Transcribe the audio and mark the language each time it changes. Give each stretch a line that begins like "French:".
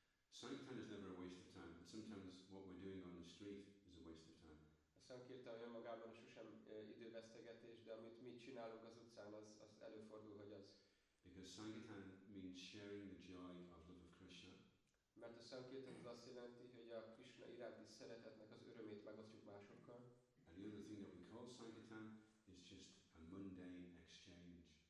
English: Sankirtan is never a waste of time, but sometimes what we're doing on the street is a waste of time.
Hungarian: szankirtan önmagában sosem idővesztegetés, de amit mi csinálunk az utcán, az, az előfordul, hogy az.
English: Because sankirtan means sharing the joy of love of Krishna.
Hungarian: Mert a szankirtan az azt jelenti, hogy a Krishna iránti szeretetnek az örömét megosztjuk másokkal.
English: And the other thing that we call sankirtan is just a mundane exchange.